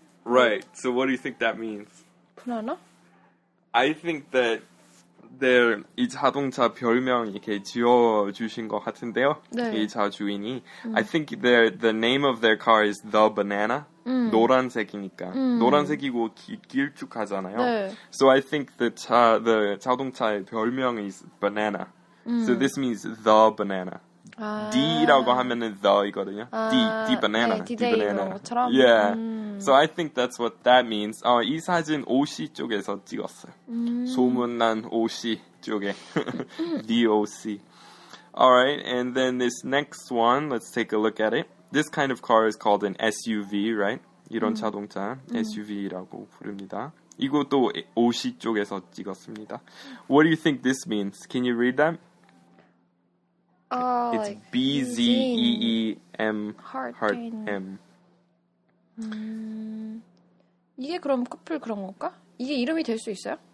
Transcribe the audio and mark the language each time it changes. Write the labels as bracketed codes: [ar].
[en] Right, so what do you think that means? Banana. I think that they're [ko] 이 자동차 별명 이렇게 지어주신 것 같은데요. 네. 이 차 주인이. [en] I think the name of their car is the banana. [ko] 노란색이니까. 노란색이고 길쭉하잖아요. 네. [en] So I think the [ko] 자동차의 별명 [en] is banana. So this means the banana. [ko] 아. D라고 하면은 the 이거든요. 아. D banana. 네, D banana. 것처럼. [en] Yeah. So I think that's what that means. [ko] 이 사진 OC 쪽에서 찍었어요. 소문난 OC 쪽에. DOC. [en] Alright, and then this next one, let's take a look at it. This kind of car is called an SUV, right? [ko] 이런 자동차 SUV라고 부릅니다. 이것도 OC 쪽에서 찍었습니다. [en] What do you think this means? Can you read that? Oh, it's like B-Z-E-E-M heart M. [ko] 이게 그럼 커플 그런 건가? 이게 이름이 될 수 있어요?